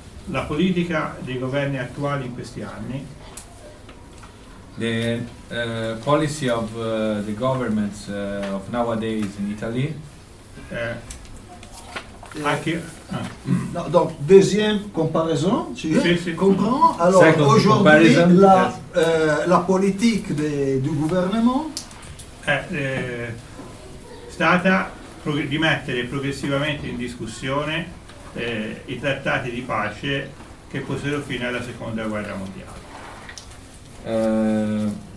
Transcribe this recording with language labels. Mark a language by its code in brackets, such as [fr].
[it] La politica dei governi attuali in questi anni, [en] the policy of the governments of nowadays in Italy, [fr] Non, donc, deuxième comparaison, tu comprends? Alors, aujourd'hui, la, la politique de, du gouvernement [it] è stata di mettere progressivamente in discussione i trattati di pace che posero fine alla seconda guerra mondiale.